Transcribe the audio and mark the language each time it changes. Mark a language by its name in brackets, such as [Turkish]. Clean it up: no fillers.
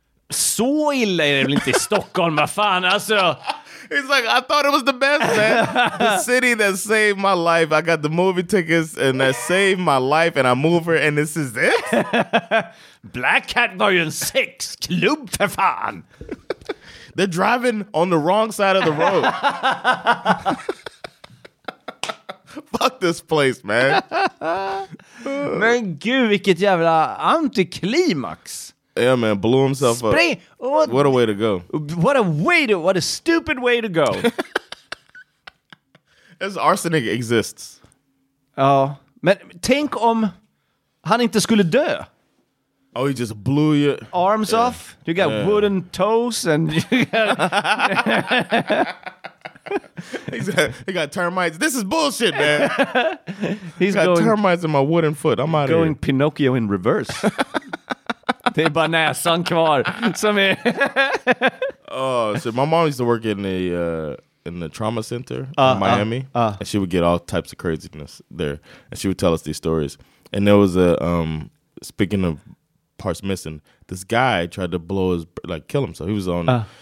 [Swedish] Så illa är det väl inte i Stockholm, vad fan, alltså. [English] He's like, I thought it was the best, man. The city that saved my life. I got the movie tickets and that saved my life and I move here and this is it? [Swedish] Black Cat Volume 6, klubb för fan. [English] They're driving on the wrong side of the road. Fuck this place, man. [Swedish] Men gud, vilket jävla antiklimax. [English] Yeah, man, blew himself up. What a way to go. What a stupid way to go. As arsenic exists. [Swedish] Ja, men tänk om han inte skulle dö. [English] Oh, he just blew your... Arms off? You got wooden toes and... He got termites. This is bullshit, man. He's got termites in my wooden foot. I'm out of here. Going Pinocchio in reverse. [Swedish] Det är bara näsan kvar som är... [English] So my mom used to work in the trauma center in Miami, and she would get all types of craziness there, and she would tell us these stories. And there was a speaking of parts missing, this guy tried to blow his like kill himself. He was on.